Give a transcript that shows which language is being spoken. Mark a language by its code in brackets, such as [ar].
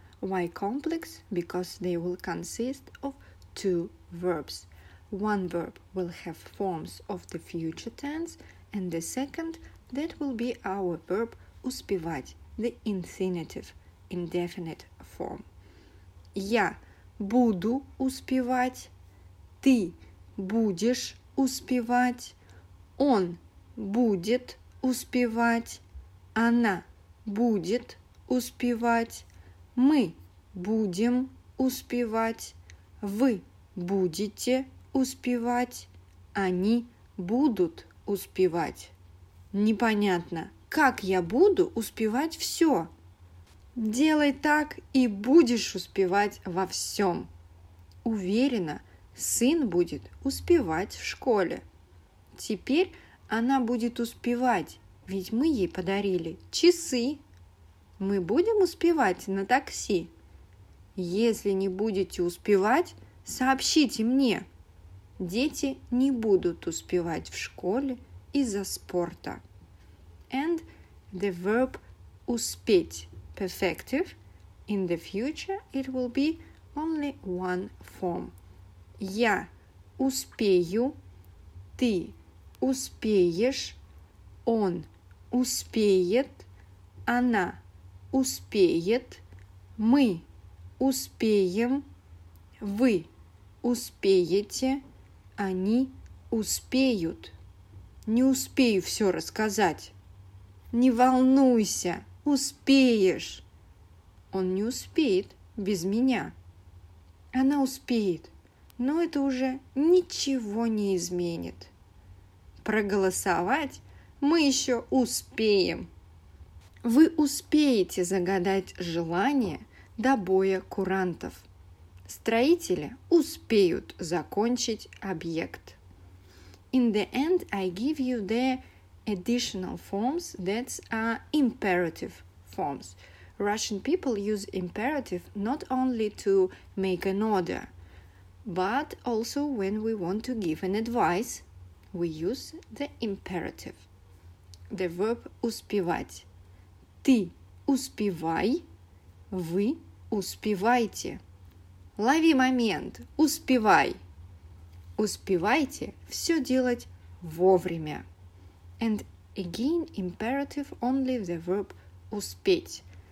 [en] Why complex? Because they will consist of two verbs. One verb will have forms of the future tense, and the second, that will be our verb успевать, the infinitive, indefinite form. [ru] Я буду успевать. Ты будешь успевать, он будет успевать, она будет успевать, мы будем успевать, вы будете успевать, они будут успевать. Непонятно, как я буду успевать все? Делай так и будешь успевать во всем. Уверена, сын будет успевать в школе. теперь она будет успевать, ведь мы ей подарили часы. Мы будем успевать на такси. Если не будете успевать, сообщите мне. Дети не будут успевать в школе из-за спорта. [en] And the verb успеть perfective. In the future it will be only one form. [ru] Я успею, ты успеешь, он успеет, она успеет, мы успеем, вы успеете, они успеют. Не успею все рассказать. Не волнуйся, успеешь. Он не успеет без меня. Она успеет, но это уже ничего не изменит. Проголосовать мы еще успеем. Вы успеете загадать желание до боя курантов. Строители успеют закончить объект. [en] In the end, I give you the additional forms that are imperative forms. Russian people use imperative not only to make an order, but also when we want to give an advice, we use the imperative. The verb успевать. [ru] Ты успевай, вы успевайте. Лови момент, успевай. Успевайте все делать вовремя. [en] And again, imperative only the verb успеть.